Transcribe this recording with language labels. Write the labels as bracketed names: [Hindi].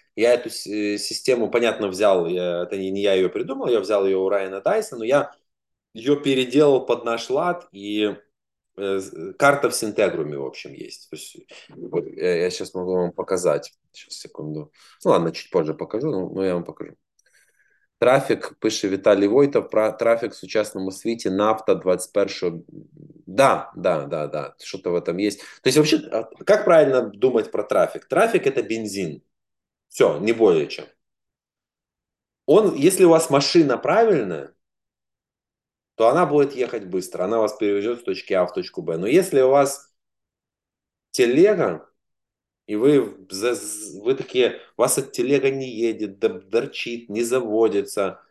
[Russian] Я эту систему, понятно, взял, это не я ее придумал, я взял ее у Райана Дайса, но я ее переделал под наш лад, и карта в Синтегруме, в общем, есть. То есть вот, я сейчас могу вам показать. Сейчас, секунду. Ну ладно, чуть позже покажу, но я вам покажу. [Ukrainian] Трафік, пише Віталій Войтов, про трафік в сучасному світі, нафта 21-го. Да, що-то в этом є. То есть, взагалі, як правильно думати про трафік? Трафік – це бензин. Все, не більше, чем. [Russian] Он, если у вас машина правильная, то она будет ехать быстро, она вас перевезет с точки А в точку Б. Но если у вас телега, и вы такие, вас от телега не едет, дорчит, не заводится.